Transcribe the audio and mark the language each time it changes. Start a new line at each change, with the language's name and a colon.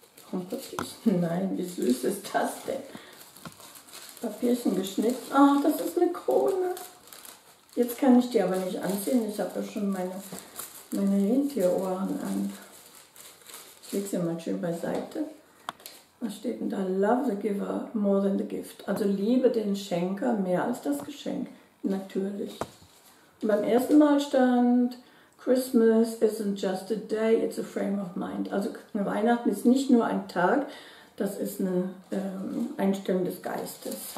German: Warum Papierchen? Nein, wie süß ist das denn? Papierchen geschnitten. Ach, das ist eine Krone. Jetzt kann ich die aber nicht anziehen. Ich habe ja schon meine Rentierohren an. Ich lege sie mal schön beiseite. Was steht denn da?
English: Love the giver more than the gift.
German: Also liebe den Schenker mehr als das Geschenk. Natürlich. Und beim ersten Mal stand
English: Christmas isn't just a day, it's a frame of mind.
German: Also Weihnachten ist nicht nur ein Tag, das ist eine Einstellung des Geistes.